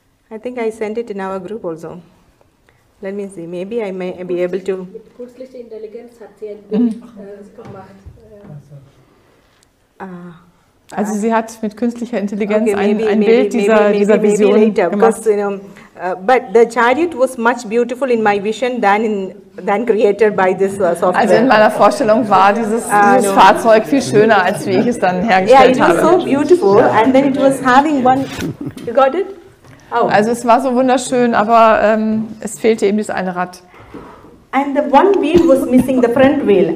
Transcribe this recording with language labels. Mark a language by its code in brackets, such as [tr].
[en] I think I sent it in our group also. Let me see. Maybe I may be able to. [de] Mit künstlicher Intelligenz hat sie ein Bild gemacht. Also sie hat mit künstlicher Intelligenz ein Bild dieser Vision later, gemacht. [en] Because, you know, but the chariot was much beautiful in my vision than created by this software. [de] Also in meiner Vorstellung war dieses Fahrzeug viel schöner, als wie ich es dann hergestellt habe. [en] Yeah, it was so beautiful, and then it was having one. You got it? Oh. [de] Also es war so wunderschön, aber es fehlte eben dieses eine Rad. [en] And the one wheel was missing, the front wheel.